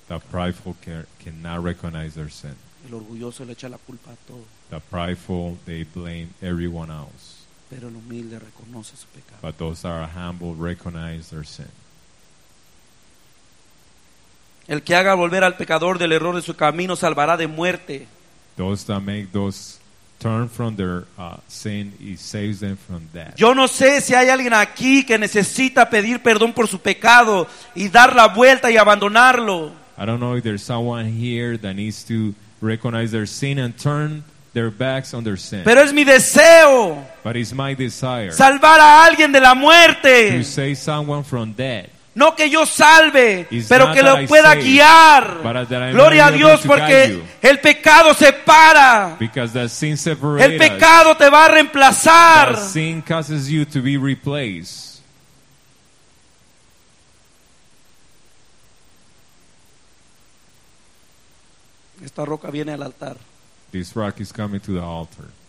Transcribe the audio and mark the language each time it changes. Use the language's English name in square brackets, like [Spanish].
[Spanish] pecado. [English] The prideful cannot recognize their sin. [Spanish] El orgulloso le echa la culpa a todo. [English] The prideful, they blame everyone else. [Spanish] Pero el humilde reconoce su pecado. [English] But those that are humble recognize their sin. [Spanish] El que haga volver al pecador del error de su camino salvará de muerte. [English] Those that make those turn from their sin he saves them from death. [Spanish] Yo no sé si hay alguien aquí que necesita pedir perdón por su pecado y dar la vuelta y abandonarlo. [English] I don't know if there's someone here that needs to recognize their sin and turn their backs on their sin. [Spanish] Pero es mi deseo. [English] But it's my desire. [Spanish] Salvar a alguien de la muerte. [English] To save someone from death. [Spanish] No que yo salve, pero que lo pueda guiar. Gloria a Dios, porque el pecado separa. [English] Because the sin separates. [Spanish] El pecado te va a reemplazar. [English] The sin causes you to be replaced. [Spanish] Esta roca viene al altar. [English] This rock is coming to the altar.